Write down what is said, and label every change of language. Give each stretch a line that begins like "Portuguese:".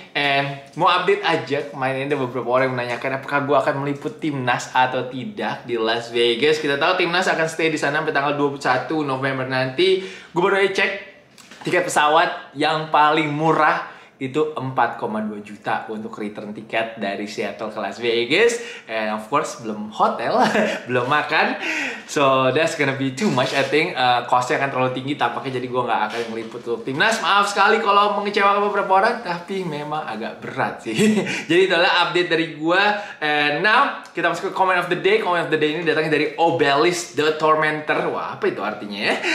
English: And
Indonesian: mau update aja, kemarin ini ada beberapa orang yang menanyakan apakah gue akan meliput timnas atau tidak di Las Vegas. Kita tahu timnas akan stay di sana sampai tanggal 21 November nanti. Gue baru aja cek tiket pesawat yang paling murah itu 4,2 juta untuk return tiket dari Seattle ke Las Vegas.
English: And of course,
Indonesian: belum hotel, belum makan.
English: So, that's gonna be too much, I think.
Indonesian: Cost-nya akan terlalu tinggi, tampaknya jadi gue gak akan meliput untuk timnas. Maaf sekali kalau mengecewakan beberapa orang, tapi memang agak berat sih. Jadi itu adalah update dari gue.
English: And now,
Indonesian: kita masuk ke comment of the day. Comment of the day ini datangnya dari Obelis the Tormentor. Wah, apa itu artinya ya?